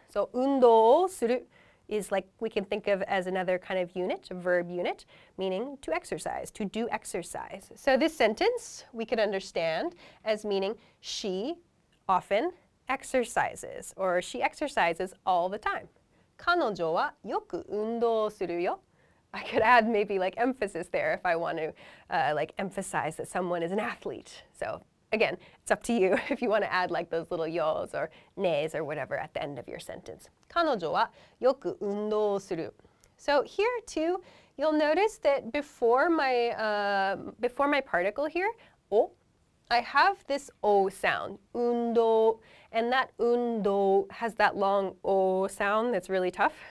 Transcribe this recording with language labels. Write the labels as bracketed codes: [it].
[en] So 運動をする is like we can think of as another kind of unit, verb unit, meaning to exercise, to do exercise. So this sentence we could understand as meaning she often exercises, or she exercises all the time. [ja] 彼女はよく運動するよ. [en] I could add maybe like emphasis there if I want to like emphasize that someone is an athlete. So again, it's up to you if you want to add like those little yos or nes or whatever at the end of your sentence. [ja] 彼女はよく運動する. [en] So here too, you'll notice that before my particle here, o, I have this o sound, 運動, and that 運動 has that long o sound that's really tough.